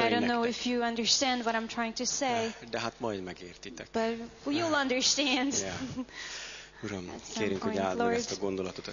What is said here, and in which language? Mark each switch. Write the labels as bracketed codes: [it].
[hu] nektek. [en] And I don't [hu] nektek. [en] Know if you understand what I'm trying to say. [hu] De hát majd megértitek. [en] But you'll understand. Yeah. [hu] Uram, kérünk, hogy áld meg ezt a gondolatot a